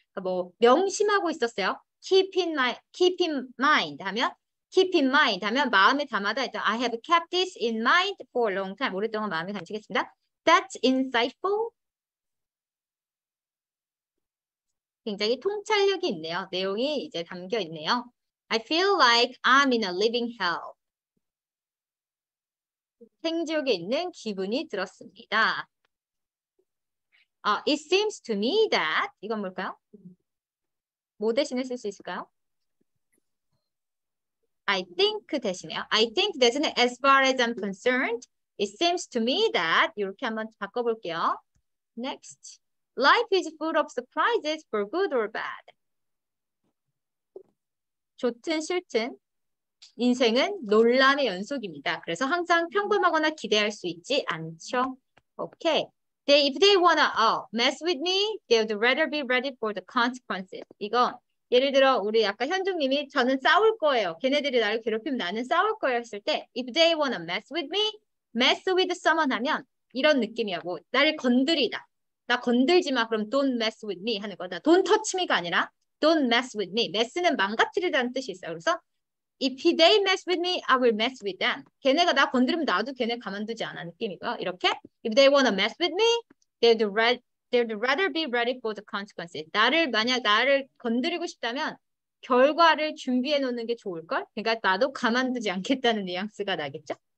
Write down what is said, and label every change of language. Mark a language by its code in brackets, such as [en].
[ko] 뭐 명심하고 있었어요. [en] Keep in mind 하면 keep in mind [ko] 하면 마음에 담아다 했던 [en] I have kept this in mind for a long time. [ko] 오랫동안 마음에 간직했습니다. [en] That's insightful. [ko] 굉장히 통찰력이 있네요. 내용이 이제 담겨 있네요. [en] I feel like I'm in a living hell. [ko] 생지옥에 있는 기분이 들었습니다. [en] It seems to me that [ko] 이건 뭘까요? 뭐 대신에 쓸수 있을까요? [en] I think [ko] 대신에요. [en] I think 대신에 as far as I'm concerned, it seems to me that [ko] 이렇게 한번 바꿔볼게요. [en] Next. Life is full of surprises for good or bad. [ko] 좋든 싫든 인생은 논란의 연속입니다. 그래서 항상 평범하거나 기대할 수 있지 않죠. [en] Okay. If they wanna mess with me, they would rather be ready for the consequences. [ko] 이건 예를 들어 우리 아까 현중님이 저는 싸울 거예요. 걔네들이 나를 괴롭히면 나는 싸울 거예요 했을 때 [en] If they wanna mess with me, mess with someone [ko] 하면 이런 느낌이라고 나를 건드리다. 나 건들지 마. 그럼 [en] don't mess with me [ko] 하는 거다. [en] Don't touch me가 아니라 don't mess with me. [ko] mess는 망가뜨리다는 뜻이 있어요. 그래서 [en] if they mess with me, I will mess with them. [ko] 걔네가 나 건드리면 나도 걔네 가만두지 않아 느낌이고요. 이렇게 [en] if they wanna mess with me, they'd rather be ready for the consequences. [ko] 나를 만약 나를 건드리고 싶다면 결과를 준비해 놓는 게 좋을 걸. 그러니까 나도 가만두지 않겠다는 뉘앙스가 나겠죠.